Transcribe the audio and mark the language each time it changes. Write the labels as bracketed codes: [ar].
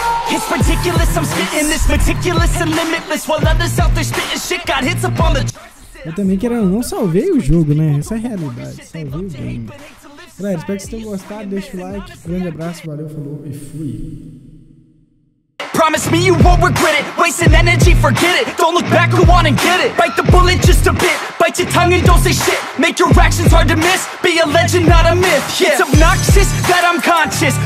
[en] It's ridiculous, I'm spitting this meticulous and limitless while others out there spitting shit got hits up on the. [pt] Eu também querendo não salvei o jogo, né? Essa é a realidade. Salvei o game. Galera, espero que vocês tenham gostado. Deixa o like. Grande abraço, valeu, falou e fui. [en] Promise me you won't regret it. Wasting energy, forget it. Don't look back, go on and get it. Bite the bullet just a bit. Bite your tongue and don't say shit. Make your actions hard to miss. Be a legend, not a myth. Yeah. It's obnoxious that I'm conscious.